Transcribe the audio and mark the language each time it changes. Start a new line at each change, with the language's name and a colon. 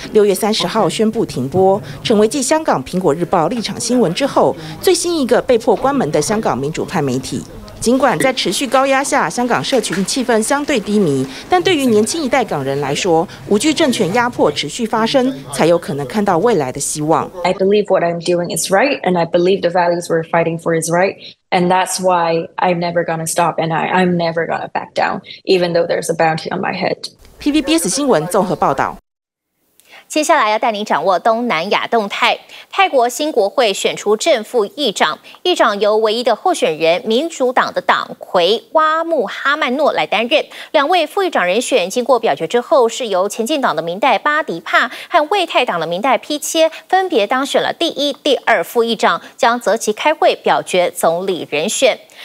Chinese: 6月30号宣布停播，成为继香港《苹果日报》立场新闻之后，最新一个被迫关门的香港民主派媒体。尽管在持续高压下，香港社群气氛相对低迷，但对于年轻一代港人来说，无惧政权压迫持续发生，才有可能看到未来的希望。
English: I believe what I'm doing is right, and I believe the values we're fighting for is right. And that's why I'm never gonna stop, and I'm never gonna back down, even though there's a bounty on my head.
Chinese: PVBS 新闻综合报道。接下来要带您掌握东南亚动态。泰国新国会选出正副议长，议长由唯一的候选人民主党的党魁哇穆哈曼诺来担任。两位副议长人选经过表决之后，是由前进党的明代巴迪帕和卫泰党的明代披切分别当选了第一、第二副议长，将择期开会表决总理人选。